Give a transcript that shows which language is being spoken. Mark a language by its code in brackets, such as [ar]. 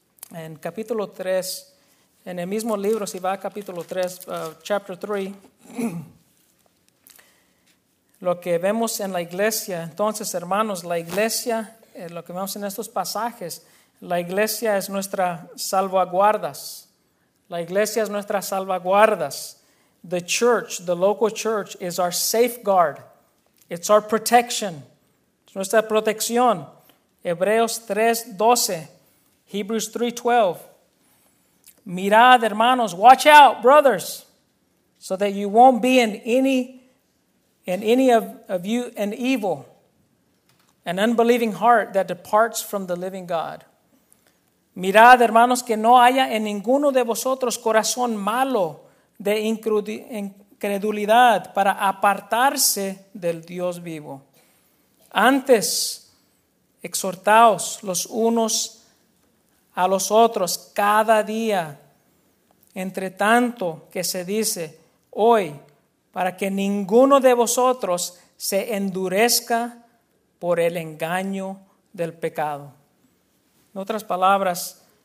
[es] En capítulo 3, en el mismo libro, si va a capítulo 3, [en] chapter 3, [es] lo que vemos en la iglesia, entonces hermanos, la iglesia, lo que vemos en estos pasajes, la iglesia es nuestra salvaguardas. La iglesia es nuestra salvaguardas. [en] The church, the local church, is our safeguard. It's our protection. [es] Es nuestra protección. Hebreos 3:12. [en] Hebrews 3:12. [es] Mirad, hermanos, [en] watch out, brothers, so that you won't be in any of you an evil, an unbelieving heart that departs from the living God. [es] Mirad, hermanos, que no haya en ninguno de vosotros corazón malo de incredulidad para apartarse del Dios vivo. Antes, exhortaos los unos a los otros cada día, entre tanto que se dice hoy, para que ninguno de vosotros se endurezca por el engaño del pecado. En otras palabras,